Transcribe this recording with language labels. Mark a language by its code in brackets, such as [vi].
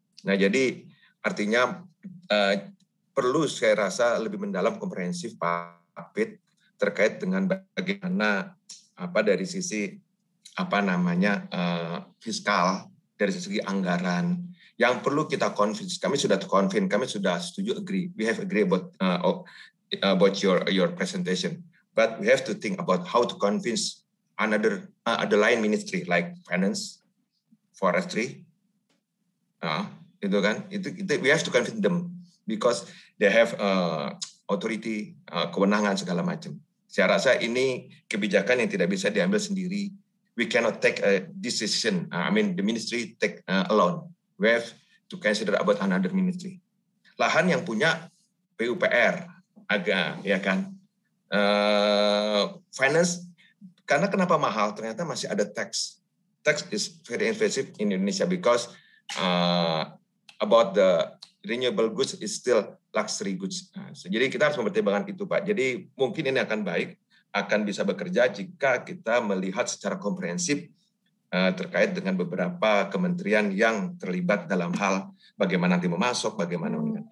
[id] Nah jadi artinya perlu saya rasa lebih mendalam komprehensif Pak Pit terkait dengan bagaimana apa dari sisi apa namanya fiskal dari segi anggaran yang perlu kita convince. Kami sudah convince, kami sudah setuju agree. [en] We have agree about about your presentation, but we have to think about how to convince another other line ministry like finance, forestry, [id] itu kan itu [en] we have to convince them because they have authority [id] kewenangan segala macam. Saya rasa ini kebijakan yang tidak bisa diambil sendiri. [en] We cannot take a decision. I mean the ministry take alone. We have to consider about another ministry. [id] Lahan yang punya PUPR. Agak, ya kan? Finance, karena kenapa mahal? Ternyata masih ada tax. [en] Tax is very invasive in Indonesia because about the renewable goods is still luxury goods. [id] So, jadi kita harus mempertimbangkan itu, Pak. Jadi mungkin ini akan baik, akan bisa bekerja jika kita melihat secara komprehensif terkait dengan beberapa kementerian yang terlibat dalam hal bagaimana nanti memasok, bagaimana.